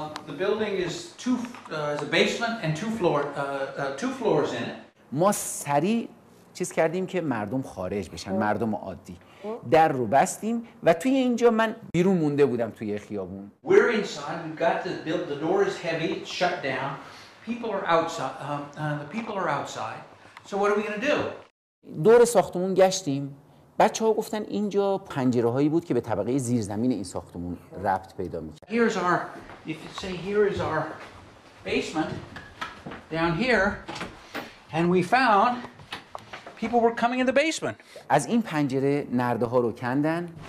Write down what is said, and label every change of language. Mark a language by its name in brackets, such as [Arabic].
[English] The building is two is a basement and two floors in it. [Persian] ما سری چیز کردیم که مردم خارج بشن، مردم عادی. در رو بستیم و توی اینجا من بیرون مونده بودم توی خیابون. [English] We're inside. We've got the build. The door is heavy. It's shut down. People are outside. The people are outside. So what are we going to do? [Persian] دور ساختمون گشتیم. بچه ها گفتن اینجا پنجره هایی بود که به طبقه زیرزمین این ساختمون ربط پیدا میکرد. [English] Here's our, if you say here is our basement down here, and we found people were coming in the basement. [Persian] از این پنجره نرده ها رو کندن.